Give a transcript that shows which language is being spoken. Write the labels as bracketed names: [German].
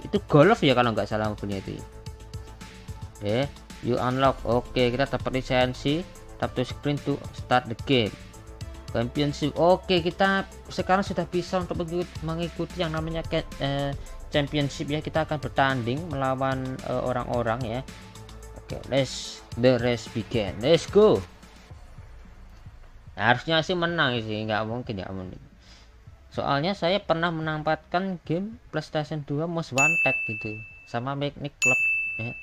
[Indonesian] Itu Golf ya kalau nggak salah mobilnya itu. Oke, [English] you unlock. [Indonesian] Oke, kita dapat lisensi. [English] Tap to screen to start the game. Championship. [Indonesian] Oke, kita sekarang sudah bisa untuk mengikuti yang namanya championship ya. Kita akan bertanding melawan orang-orang ya. Oke, [English] let's the race begin. Let's go. [Indonesian] Harusnya sih menang sih, nggak mungkin ya. Soalnya saya pernah menempatkan game PlayStation 2 Most Wanted gitu sama Magnet Club ya.